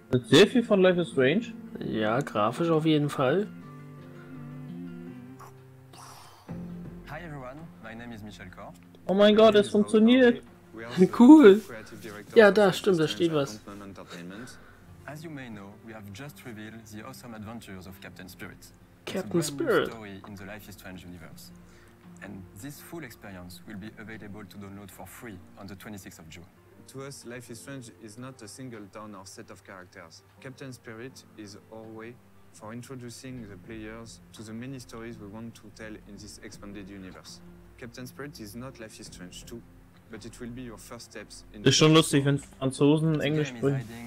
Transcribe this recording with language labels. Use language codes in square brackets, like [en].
[de] Sehr viel von Life is Strange. Ja, grafisch auf jeden Fall. [en] Hi everyone, my name is Michel Kor. [de] Oh mein Gott, es funktioniert! Cool! Ja, da stimmt, da steht was. [en] As you may know, we have just revealed the awesome adventures of Captain Spirit. Captain Spirit. Story in the Life is Strange universe. And this full experience will be available to download for free on the 26th of June. To us, Life is Strange is not a single town or set of characters. Captain Spirit is our way for introducing the players to the many stories we want to tell in this expanded universe. Captain Spirit is not Life is Strange 2, but it will be your first steps in [de] the schon lustig, wenn Franzosen Englisch sprechen.